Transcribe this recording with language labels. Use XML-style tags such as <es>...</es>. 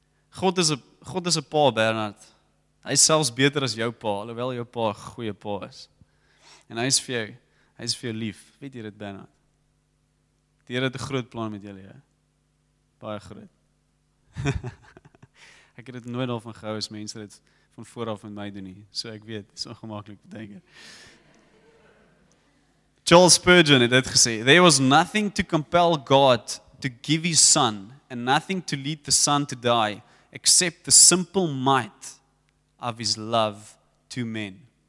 <af>God is 'n pa, Bernard. Hy is selfs beter as jou pa, alhoewel jou pa 'n goeie pa is. En hy is vir jou lief. Weet jy dit, Bernard? Die Here het 'n groot plan met julle, baie groot. Ek het dit nooit al van gehou as mense dit van vooraf met my doen nie. So ek weet, dit is ongemaklik te dink.</af> <en>Charles Spurgeon</en> <af>het dit gesê,</af> <en>"There was nothing to compel God to give his son and nothing to lead the son to die except the simple might of his love to men."</en>